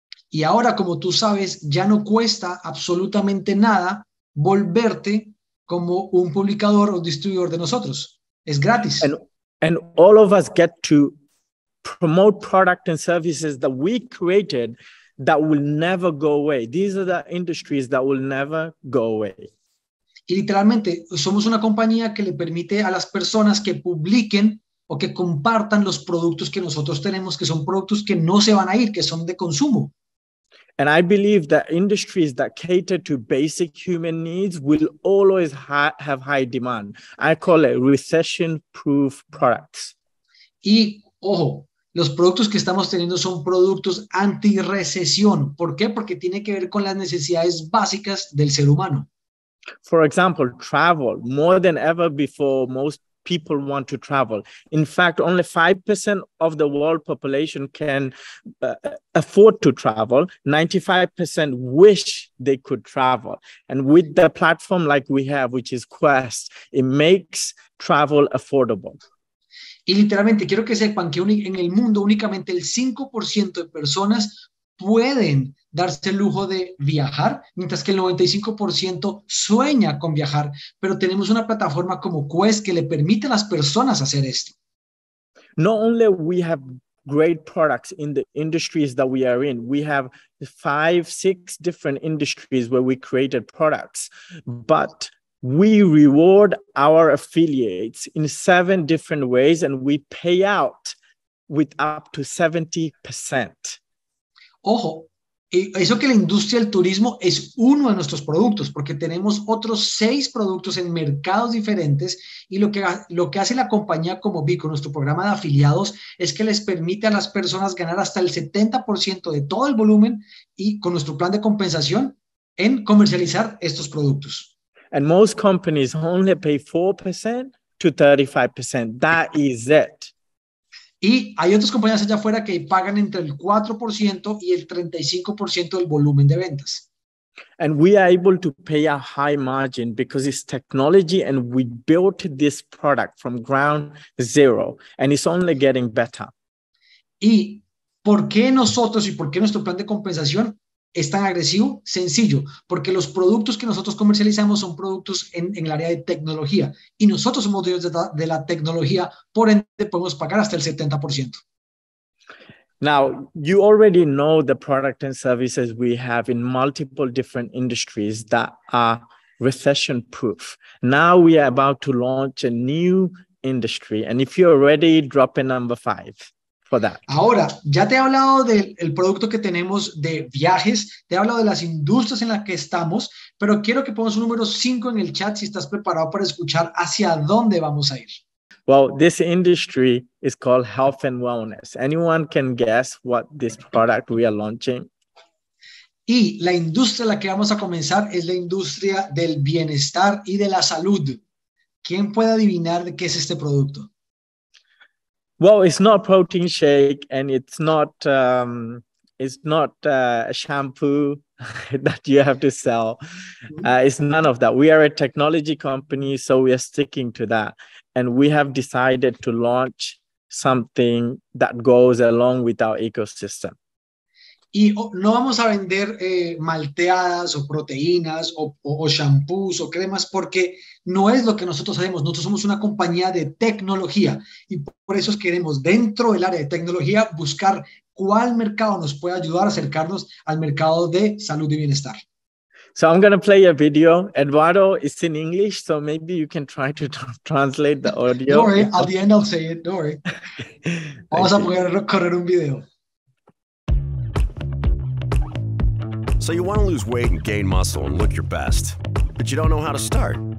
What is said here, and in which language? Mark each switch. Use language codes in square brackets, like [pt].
[es] Y ahora, como tú sabes, ya no cuesta absolutamente nada volverte como un publicador o distribuidor de nosotros. Es gratis. [en] And all of us get to promote product and services that we created that will never go away. These are the industries that will never go away. [es] Y literalmente, somos una compañía que le permite a las personas que publiquen o que compartan los productos que nosotros tenemos, que son productos que no se van a ir, que son de consumo. [en] And I believe that industries that cater to basic human needs will always have high demand. I call it recession-proof products. [es] Y, ojo, los productos que estamos teniendo son productos anti-recesión. ¿Por qué? Porque tiene que ver con las necesidades básicas del ser humano. [en] For example, travel. More than ever before, most people want to travel. In fact, only 5% of the world population can afford to travel. 95% wish they could travel. And with the platform like we have, which is Quest, it makes travel affordable. [es] Y literalmente quiero que sepan que en el mundo únicamente el 5% de personas pueden darse el lujo de viajar, mientras que el 95% sueña con viajar, pero tenemos una plataforma como Quest que le permite a las personas hacer esto. [en] Not only we have great products in the industries that we are in, we have 5-6 different industries where we created products, but we reward our affiliates in 7 different ways and we pay out with up to 70%. [es] Ojo, eso que la industria del turismo es uno de nuestros productos, porque tenemos otros 6 productos en mercados diferentes y lo que hace la compañía como BE con nuestro programa de afiliados es que les permite a las personas ganar hasta el 70% de todo el volumen y con nuestro plan de compensación en comercializar estos productos. [en] And most companies only pay 4% to 35%. That is it. [es] Y hay otras compañías allá afuera que pagan entre el 4% y el 35% del volumen de ventas. [en] And we are able to pay a high margin because it's technology and we built this product from ground zero and it's only getting better. [es] ¿Y por qué nosotros y por qué nuestro plan de compensación es tan agresivo? Sencillo, porque los productos que nosotros comercializamos son productos en el área de tecnología y nosotros somos dueños de la tecnología, por ende podemos pagar hasta el 70%. [en] Now, you already know the product and services we have in multiple different industries that are recession proof. Now we are about to launch a new industry. And if you're ready, drop a number 5 for that. [es] Ahora, ya te he hablado del producto que tenemos de viajes, te he hablado de las industrias en las que estamos, pero quiero que pongas un número 5 en el chat si estás preparado para escuchar hacia dónde vamos a ir. [en] Well, this industry is called health and wellness. Anyone can guess what this product we are launching? [es] Y la industria a la que vamos a comenzar es la industria del bienestar y de la salud. ¿Quién puede adivinar de qué es este producto? [en] Well, it's not a protein shake and it's not a shampoo that you have to sell. It's none of that. We are a technology company, so we are sticking to that. And we have decided to launch something that goes along with our ecosystem. [es] Y no vamos a vender malteadas o proteínas o shampoos o cremas porque no es lo que nosotros hacemos. Nosotros somos una compañía de tecnología y por eso queremos dentro del área de tecnología buscar cuál mercado nos puede ayudar a acercarnos al mercado de salud y bienestar. [en] So I'm going to play a video. Eduardo, it's in English, so maybe you can try to translate the audio. Don't worry, at the end I'll say it, don't worry. [es] Vamos a poder correr un video. [en] So you want to lose weight and gain muscle and look your best, but you don't know how to start.